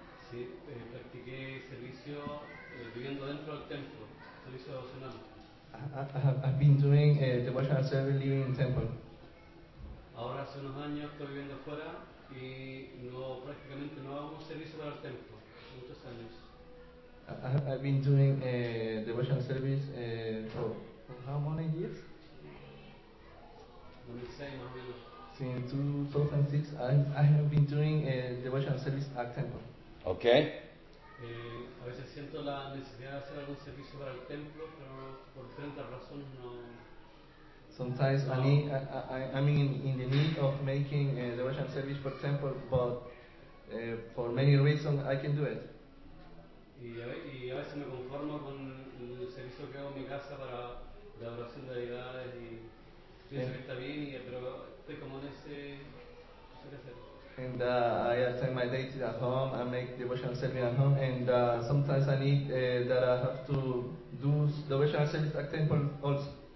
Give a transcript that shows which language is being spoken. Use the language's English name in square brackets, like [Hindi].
[Spanish] Sí, practiqué servicio viviendo dentro del templo, servicio devocional. [English] I've been doing devotional service living in the temple. [Spanish] Ahora hace unos años estoy viviendo fuera y no prácticamente no hago servicio para el templo. Muchos años. [English] I've been doing devotional service for how many years? [Spanish] 2006 más o menos. [English] Since 2006 I have been doing devotional service at temple. Okay. [Spanish] A veces siento la necesidad de hacer algún servicio para el templo, pero por diferentes razones no. [English] Sometimes I'm in the need of making a devotional service for temple, but for many reasons I can do it. [Spanish] Y a veces me conformo con el servicio que hago en mi casa para la adoración de deidades y pienso que está bien, pero estoy como en ese. [English] And I attend my days at home, I make devotional service at home, and sometimes I need that I have to do devotional service at temple also.